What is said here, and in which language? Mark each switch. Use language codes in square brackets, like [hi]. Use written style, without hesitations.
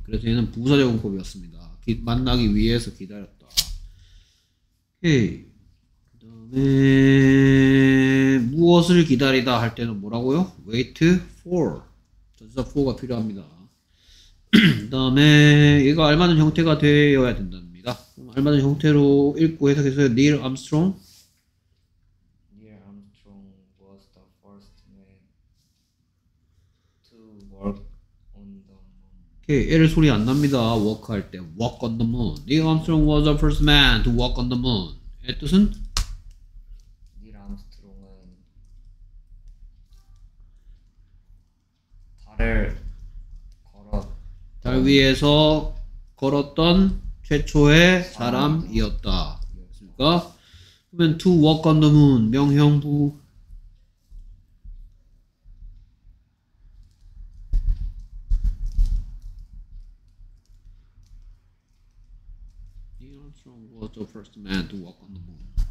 [ko] 그래서 얘는 부사적 용법이었습니다. 만나기 위해서 기다렸다. 오케이. 그 다음에 무엇을 기다리다 할 때는 뭐라고요? [en] Wait for. [ko] 전사 for가 필요합니다. 그 다음에 얘가 알맞은 형태가 되어야 된답니다. 그럼 알맞은 형태로 읽고 해석해서 Neil Armstrong. [en] Neil Armstrong was the first man to work on the moon. OK. [ko] 오케이, 얘를 소리 안 납니다. 워크 할 때 walk on the moon. [en] Neil Armstrong was the first man to walk on the moon. [ko] 얘 뜻은? Neil Armstrong은 달을 걸었던 달 위에서 걸었던 최초의 사람이었다. 그렇습니까? 그러면 [en] to walk on the moon 명형부 was the first man to walk on the moon.